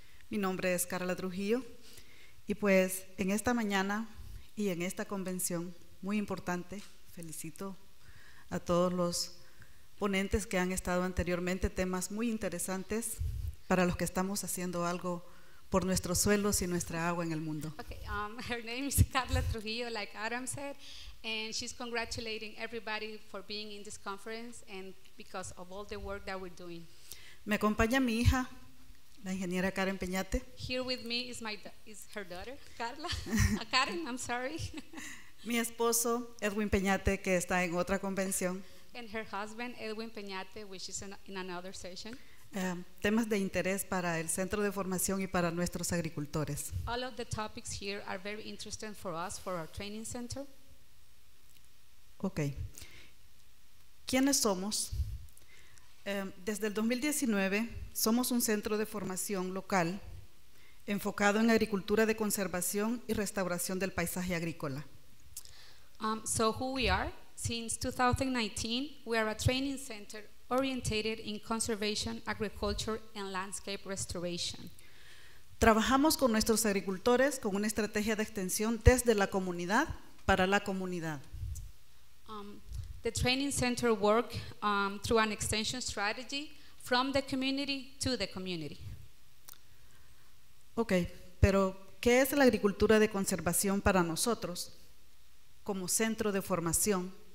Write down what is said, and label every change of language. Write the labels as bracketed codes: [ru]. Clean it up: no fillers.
[es] Mi nombre es Carla Trujillo, y pues en esta mañana y en esta convención muy importante, felicito a todos los ponentes que han estado anteriormente, temas muy interesantes para los que estamos haciendo algo por nuestros suelos y nuestra agua en el mundo. [en] Okay, her name is Carla Trujillo, like Adam said, and she's congratulating everybody for being in this conference and because of all the work that we're doing. [es] Me acompaña mi hija, la ingeniera Karen Peñate. [en] Here with me is her daughter, Carla. Karen, I'm sorry. [es] Mi esposo, Edwin Peñate, que está en otra convención. [en] And her husband, Edwin Peñate, which is in another session. [es] Temas de interés para el centro de formación y para nuestros agricultores. [en] All of the topics here are very interesting for us, for our training center. [es] Ok. ¿Quiénes somos? Desde el 2019, somos un centro de formación local enfocado en agricultura de conservación y restauración del paisaje agrícola. [en] So who we are? Since 2019, we are a training center orientated in conservation, agriculture, and landscape restoration. [es] Trabajamos con nuestros agricultores con una estrategia de extensión desde la comunidad para la comunidad. [en] The training center work through an extension strategy from the community to the community. [es] Okay, pero ¿qué es la agricultura de conservación para nosotros como centro de formación